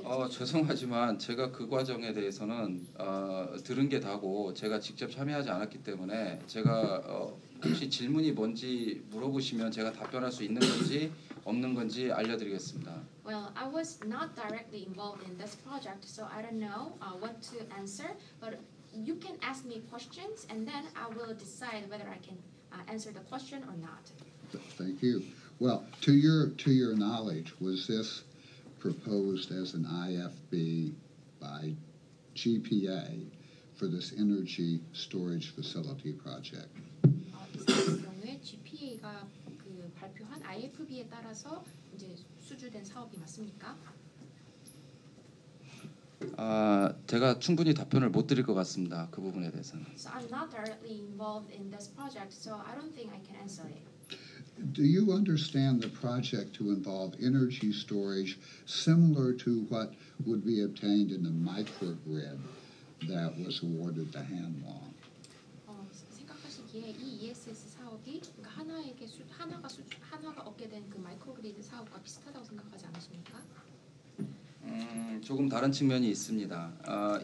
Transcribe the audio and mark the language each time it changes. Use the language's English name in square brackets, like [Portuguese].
[Korean] 죄송하지만 제가 그 과정에 대해서는 들은 게 다고 제가 직접 참여하지 않았기 때문에 제가 혹시 질문이 뭔지 물어보시면 제가 답변할 수 있는 건지 없는 건지 알려드리겠습니다. [English] Well, I was not directly involved in this project, so I don't know what to answer. But you can ask me questions, and then I will decide whether I can answer the question or not. Thank you. Well, to your knowledge, was this proposed as an IFB by GPA for this energy storage facility project. [Korean] 경우에 GPA가 그 발표한 IFB에 따라서 이제 수주된 사업이 맞습니까? 제가 충분히 답변을 못 드릴 것 같습니다. 그 부분에 대해서는. [English] So I'm not directly involved in this project, so I don't think I can answer it. Do you understand the project to involve energy storage similar to what would be obtained in the microgrid that was awarded to Hanwha? [Korean] 생각하시기에 이 ESS 사업이 하나에게 하나가 얻게 된 그 마이크로그리드 사업과 비슷하다고 생각하지 않으십니까? 조금 다른 측면이 있습니다.